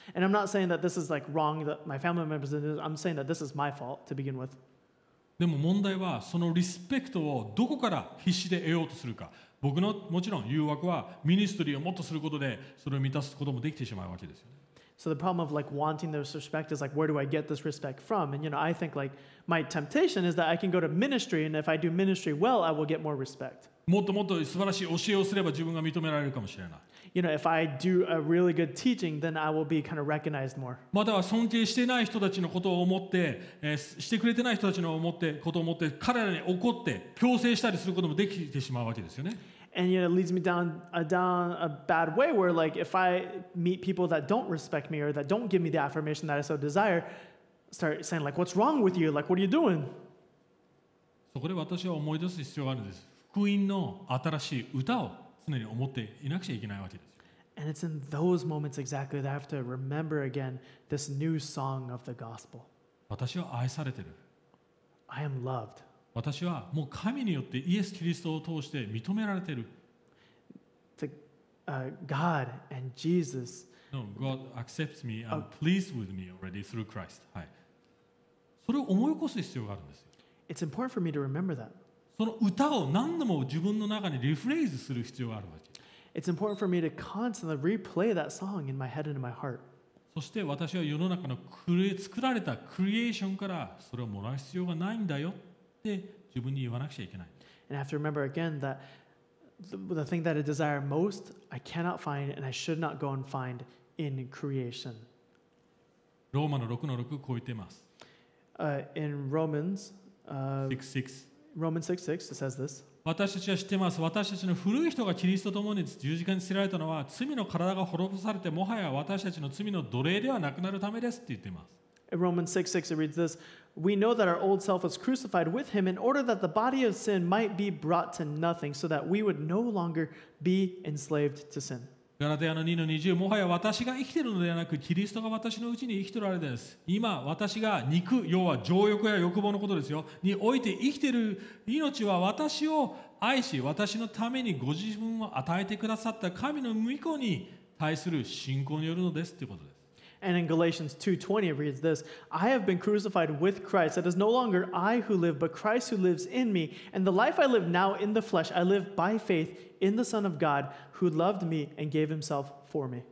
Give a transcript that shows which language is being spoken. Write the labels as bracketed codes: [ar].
[en] And I'm not saying that this is like wrong that my family members did this. I'm saying that this is my fault to begin with. [ja] でも問題はそのリスペクトをどこから必死で得ようとするか。僕のもちろん誘惑はミニストリーをもっとすることでそれを満たすこともできてしまうわけですよね。 [en] So the problem of like wanting this respect is like, where do I get this respect from? And you know, I think like my temptation is that I can go to ministry, and if I do ministry well, I will get more respect. [ja] もっともっと素晴らしい教えをすれば自分が認められるかもしれない。 [en] You know, if I do a really good teaching, then I will be kind of recognized more. [ja] または尊敬してない人たちのことを思って、してくれてない人たちのことを思って、彼らに怒って強制したりすることもできてしまうわけですよね。 [en] And you know, it leads me down a bad way where like if I meet people that don't respect me or that don't give me the affirmation that I so desire, start saying like, what's wrong with you? Like, what are you doing? [ja] そこで私は思い出す必要があるんです。福音の新しい歌を常に思っていなくちゃいけないわけです。 [en] And it's in those moments exactly that I have to remember again this new song of the gospel. [ja] 私は愛されている。 [en] I am loved. [ja] 私はもう神によってイエス・キリストを通して認められている。 [en] God and Jesus. No, God accepts me and pleased with me already through Christ. [ja] はい。それを思い起こす必要があるんですよ。 [en] It's important for me to remember that. [ja] その歌を何度も自分の中にリフレーズする必要があるわけ。 [en] It's important for me to constantly replay that song in my head and in my heart. [ja] そして私は世の中の作られたクリエーションからそれをもらう必要がないんだよ。自分に言わなくちゃいけない。 [en] And I have to remember again that the thing that I desire most, I cannot find and I should not go and find in creation. [ja] ローマの6の6こう言っています。 [en] In Romans, 6:6. Romans 6:6 it says this. [ja] 私たちは知っています。私たちの古い人がキリストと共に十字架に捨てられたのは、罪の体が滅ぼされてもはや私たちの罪の奴隷ではなくなるためですって言っています。 [en] In Romans 6:6 it reads this. We know that our old self was crucified with him in order that the body of sin might be brought to nothing so that we would no longer be enslaved to sin. [ja] ガラテヤの 2-20 もはや私が生きているのではなくキリストが私のうちに生きておられです。今私が肉、要は情欲や欲望のことですよ。において生きている命は私を愛し私のためにご自分を与えてくださった神の御子に対する信仰によるのですということです。 [en] And in Galatians 2:20 it reads this, I have been crucified with Christ. It is no longer I who live, but Christ who lives in me. And the life I live now in the flesh, I live by faith in the Son of God who loved me and gave himself for me.